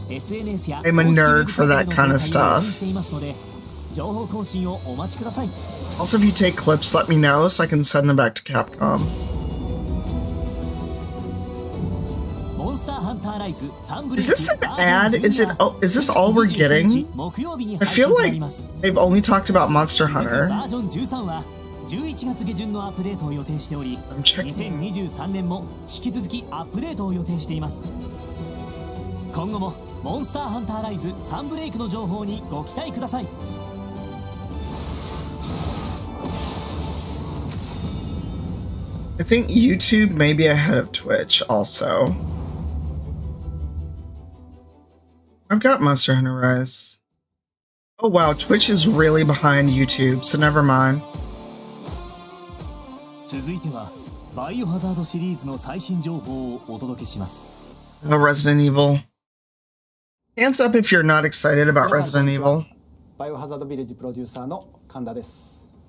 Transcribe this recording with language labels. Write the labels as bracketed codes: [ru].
[ja] SNS や [en] I'm a nerd for that kind of stuff. [ja] 情報更新をお待ちください。 [en] Also, if you take clips, let me know so I can send them back to Capcom. Monster Hunter Rise Sunbreak. Is this an ad? Is this all we're getting? I feel like they've only talked about Monster Hunter. I'm checking. I'm checking. I think YouTube may be ahead of Twitch also. I've got Monster Hunter Rise. Oh wow, Twitch is really behind YouTube, so never mind. [ja] 続いてはバイオハザードシリーズの最新情報をお届けします。 [en] Oh, Resident Evil. Hands up if you're not excited about Resident Evil. [ja] バイオハザードビレッジプロデューサーの神田です。